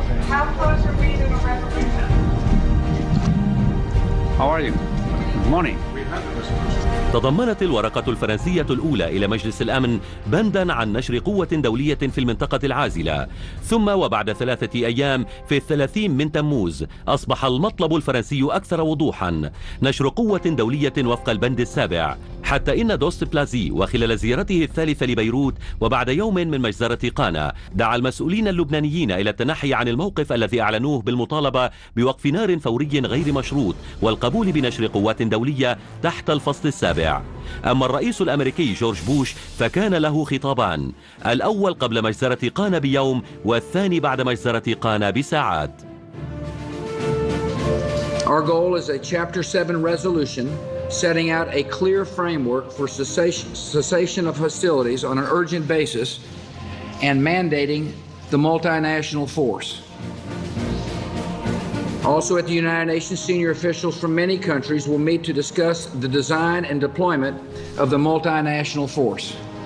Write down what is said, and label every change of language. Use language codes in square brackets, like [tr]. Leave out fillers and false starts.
[en] How close are we to a resolution? How are you? Good morning. [ar] تضمنت الورقة الفرنسية الأولى إلى مجلس الأمن بنداً عن نشر قوة دولية في المنطقة العازلة، ثم وبعد 3 أيام في 30 من تموز أصبح المطلب الفرنسي أكثر وضوحاً، نشر قوة دولية وفق البند السابع، حتى إن دوست بلازي وخلال زيارته الثالثة لبيروت وبعد يوم من مجزرة قانا دعا المسؤولين اللبنانيين إلى التنحي عن الموقف الذي أعلنوه بالمطالبة بوقف نار فوري غير مشروط والقبول بنشر قوات دولية تحت الفصل السابع. أما الرئيس الأمريكي جورج بوش فكان له خطابان، الأول قبل مجزرة قانا بيوم والثاني بعد مجزرة قانا بساعات. [en] Our goal is a Chapter 7 resolution setting out a clear framework for cessation of hostilities on an urgent basis and mandating the multinational force. Also at the United Nations, senior officials from many countries will meet to discuss the design and deployment of the multinational force.